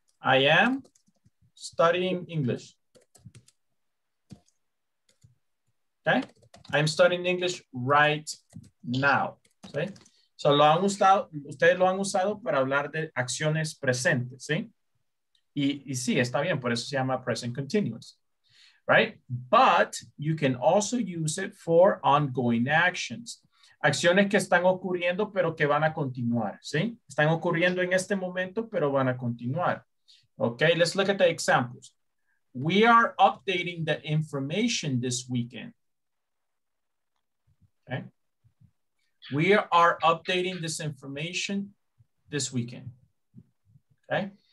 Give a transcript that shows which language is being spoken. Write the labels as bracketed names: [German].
[English] I am studying English. Okay, I'm studying English right now. ¿Sí? [Spanish] So lo han usado, ustedes lo han usado para hablar de acciones presentes, ¿sí? Y sí, está bien, por eso se llama present continuous, right? [English] But you can also use it for ongoing actions. [Spanish] Acciones que están ocurriendo, pero que van a continuar, ¿sí? Están ocurriendo en este momento, pero van a continuar. [English] Okay, let's look at the examples. We are updating the information this weekend. Okay. We are updating this information this weekend. Okay.